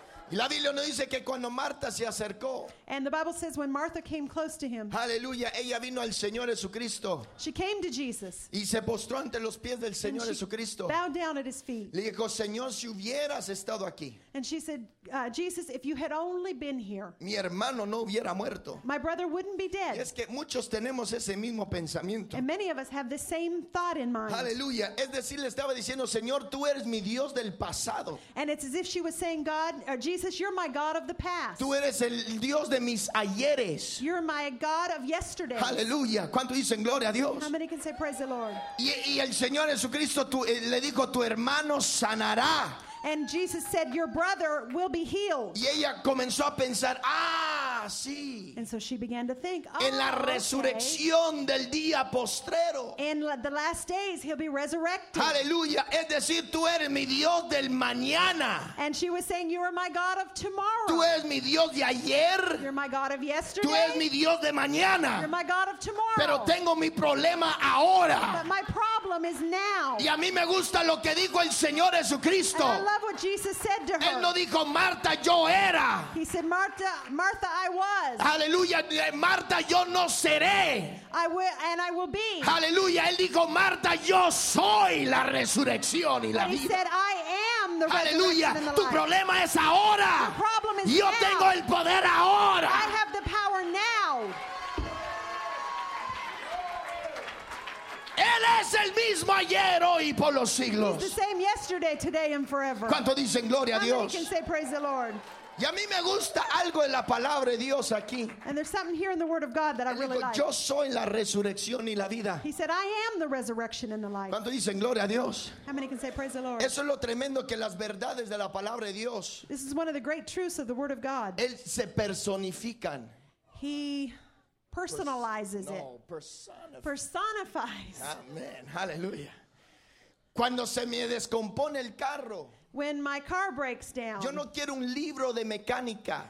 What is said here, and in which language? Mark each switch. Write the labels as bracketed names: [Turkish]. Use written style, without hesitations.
[Spanish] Y la Biblia nos dice que cuando Marta se acercó, [English] and the Bible says when Martha came close to him, [Spanish] aleluya, ella vino al Señor Jesucristo, [English] she came to Jesus, [Spanish] y se postró ante los pies del Señor Jesucristo, [English] bowed down at his feet, [Spanish] le dijo, Señor, si hubieras estado aquí, [English] and she said, Jesus, if you had only been here, [Spanish] mi hermano no hubiera muerto, [English] my brother wouldn't be dead. [Spanish] Y es que muchos tenemos ese mismo pensamiento, [English] and many of us have the same thought in mind, [Spanish] aleluya, es decir, le estaba diciendo, Señor, tú eres mi Dios del pasado, [English] and it's as if she was saying, God, or Jesus, you're my God of the past. [Spanish] Tú eres el Dios de mis ayeres. [English] You're my God of yesterday. [Spanish] Aleluya. ¿Cuánto dicen gloria a Dios? [English] How many can say praise the Lord? [Spanish] Y el Señor Jesucristo le dijo, tu hermano sanará. [English] And Jesus said, your brother will be healed. [Spanish] Y ella comenzó a pensar, ah. así. [English] And so she began to think, oh, [Spanish] en la resurrección [English] okay. [Spanish] del día postrero. [English] In the last days, he'll be resurrected. Hallelujah. [Spanish] Es decir, tú eres mi Dios del mañana. [English] And she was saying, you are my God of tomorrow. [Spanish] Tú eres mi Dios de ayer. [English] You're my God of yesterday. [Spanish] Tú eres mi Dios de mañana. [English] You're my God of tomorrow. [Spanish] Pero tengo mi problema ahora. [English] But my problem is now. [Spanish] Y a mí me gusta lo que dijo el Señor Jesucristo. [English] And I love what Jesus said to her. [Spanish] Él no dijo, Marta, yo era. [English] He said, Martha, I was. [Spanish] Aleluya, Marta, yo no seré. [English] I will, and I will be. [Spanish] Aleluya, él dijo, Marta, yo soy la resurrección y la vida. [English] He said, I am the resurrection. [Spanish] Aleluya, tu problema es ahora. [English] Your problem is now. [Spanish] Yo tengo el poder ahora. [English] I have the power now. [Spanish] Él es el mismo ayer, hoy y por los siglos. [English] He's the same yesterday, today, and forever. [Spanish] ¿Cuánto dicen gloria a Dios? [English] How many can say praise the Lord? [Spanish] Y a mí me gusta algo en la palabra de Dios aquí. [English] And there's something here in the word of God that [Spanish] él [English] I really [Spanish] dijo, [English] like. [Spanish] Yo soy la resurrección y la vida. [English] He said, I am the resurrection and the life. [Spanish] ¿Cuánto dicen gloria a Dios? [English] How many can say praise the Lord? [Spanish] Eso es lo tremendo, que las verdades de la palabra de Dios. [English] This is one of the great truths of the word of God. [Spanish] Él se personifican. [English] He personalizes it. [Spanish] No, [English] personifies. [Spanish] Amen. Hallelujah. Cuando se me descompone el carro. [English] When my car breaks down. [Spanish] Yo no quiero un libro de mecánica.